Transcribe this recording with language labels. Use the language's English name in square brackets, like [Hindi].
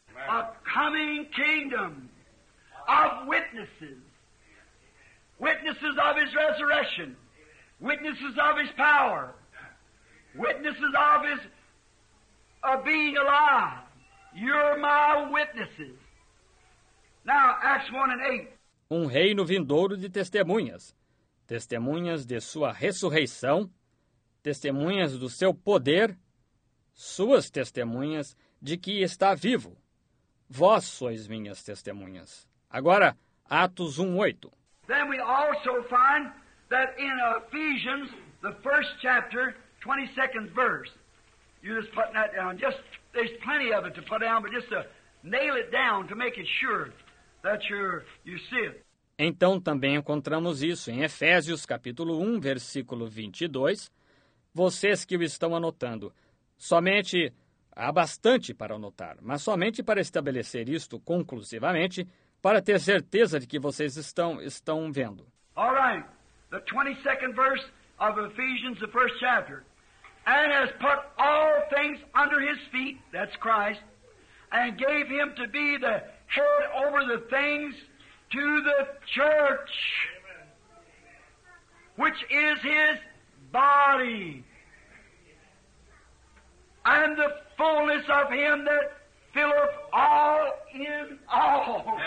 [English] A coming kingdom of witnesses. Witnesses of his resurrection. witnesses of His power, witnesses of His being alive. You're my witnesses. Now, Acts 1 and 8. [Portuguese] Um reino vindouro de testemunhas, testemunhas de sua ressurreição, testemunhas do seu poder, suas testemunhas de que está vivo. Vós sois minhas testemunhas. Agora, Atos 1:8. [English] Then we also find that in Ephesians, the first chapter, 22nd verse, you're just putting that down. Just, there's plenty of it to put down, but just to nail it down to make it sure that you see it. [Portuguese] Então também encontramos isso em Efésios capítulo 1, versículo 22. Vocês que o estão anotando, somente há bastante para anotar, mas somente para estabelecer isto conclusivamente, para ter certeza de que vocês estão vendo. [English] All right. The 22nd verse of Ephesians, the first chapter. And has put all things under his feet, that's Christ, and gave him to be the head over the things to the church, which is his body, and the fullness of him that filleth all in all.